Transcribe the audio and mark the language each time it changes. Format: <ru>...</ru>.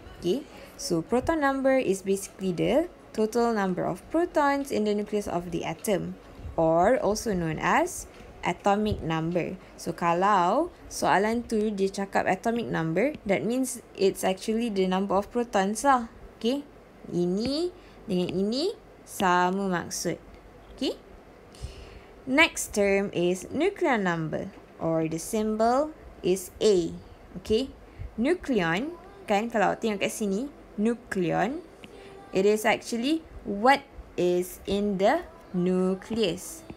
<en>Okay, so proton number is basically the total number of protons in the nucleus of the atom, or also known as atomic number. So,</en> <ms>kalau soalan tu dia cakap</ms> <en>atomic number, that means it's actually the number of protons lah.</en> <ms>Okay, ini dengan ini sama maksud.</ms> <en>Okay. Next term is nucleon number, or the symbol is A. Okay, nucleon,</en> <ms>kan kalau tengok kat sini,</ms> <en>nucleon, it is actually what is in the nucleus.</en>